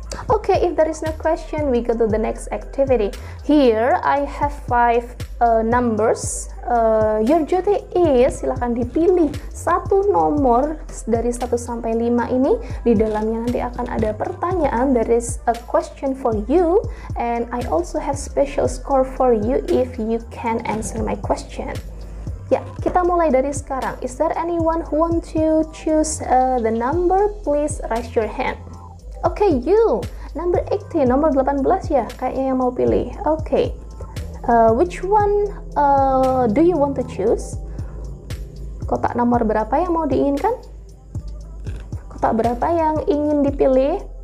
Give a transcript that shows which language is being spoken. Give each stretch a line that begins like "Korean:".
English: Okay, if there is no question, we go to the next activity. Here, I have 5 numbers. Your duty is,
Indonesian: silakan dipilih satu nomor dari 1 sampai 5 ini. Di dalamnya nanti akan ada pertanyaan.
English: There is a question for you. And I also have special score for you if you can answer my question.
Indonesian: Ya, kita mulai dari sekarang.
English: Is there anyone who want to choose the number? Please raise your hand. Okay, you. Number 18,
Indonesian: nomor 18 ya, kayaknya yang mau pilih. Okay.
English: Which one do you want to choose?
Indonesian: Kotak nomor berapa yang mau diinginkan? Kotak berapa yang ingin dipilih?